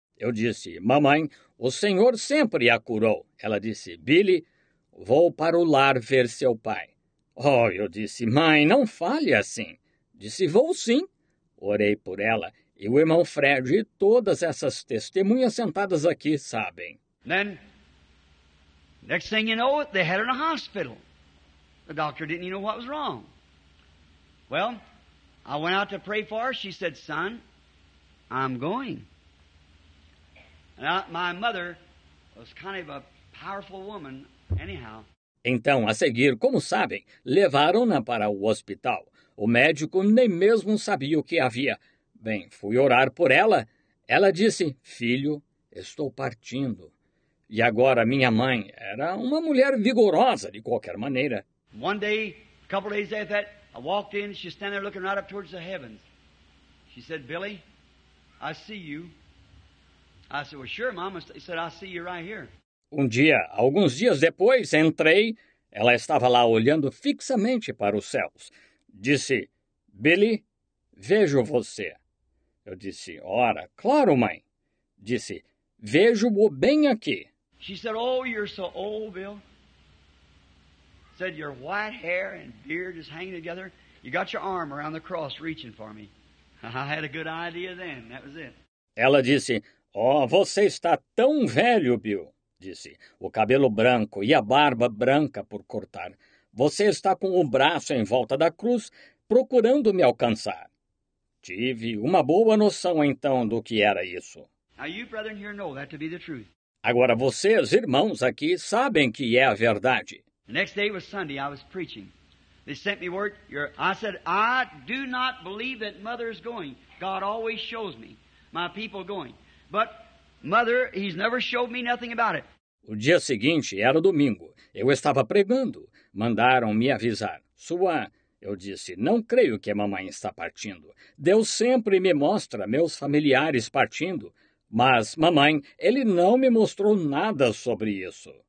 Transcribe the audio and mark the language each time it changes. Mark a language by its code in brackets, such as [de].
[pt] Eu disse, mamãe, o Senhor sempre a curou. Ela disse, Billy, vou para o lar ver seu pai. Oh, eu disse, mãe, não fale assim. Disse, vou sim. Orei por ela e o irmão Fred e todas essas testemunhas sentadas aqui sabem. [en] Then, Next thing you know, they had her in a hospital. The doctor didn't even know what was wrong. Well, I went out to pray for her. She said, "Son, I'm going." My mother was kind of a powerful woman, anyhow. [pt] Então, a seguir, como sabem, levaram-na para o hospital. O médico nem mesmo sabia o que havia. Bem, fui orar por ela. Ela disse, "Filho, estou partindo." E agora minha mãe era uma mulher vigorosa, de qualquer maneira. [en] One day, a couple days after that, I walked in, she's standing there looking right up towards the heavens. She said, "Billy, I see you." I said, "Well, sure, Mama." She said, "I see you right here." [pt] Um dia, alguns dias depois, entrei. Ela estava lá olhando fixamente para os céus. Disse, "Billy, vejo você." Eu disse, "Ora, claro, mãe." Disse, "Vejo-o bem aqui." [en] She said, "Oh, you're so old, Bill." Said, "Your white hair and beard is hanging together. You got your arm around the cross reaching for me." I had a good idea then. That was it. [pt] Ela disse, "Oh, você está tão velho, Bill." Disse, "O cabelo branco e a barba branca por cortar. Você está com o braço em volta da cruz procurando me alcançar." Tive uma boa noção então do que era isso. [en] Now you, brethren, here know that to be the truth. [pt] Agora vocês, irmãos aqui, sabem que é a verdade. [en] The next day was Sunday, I was preaching. They sent me word. I said, "I do not believe that mother is going. God always shows me my people going. But mother, he's never showed me nothing about it." [pt] O dia seguinte era domingo. Eu estava pregando. Mandaram me avisar. "Sua..." Eu disse, "Não creio que a mamãe está partindo. Deus sempre me mostra meus familiares partindo. Mas, mamãe, ele não me mostrou nada sobre isso."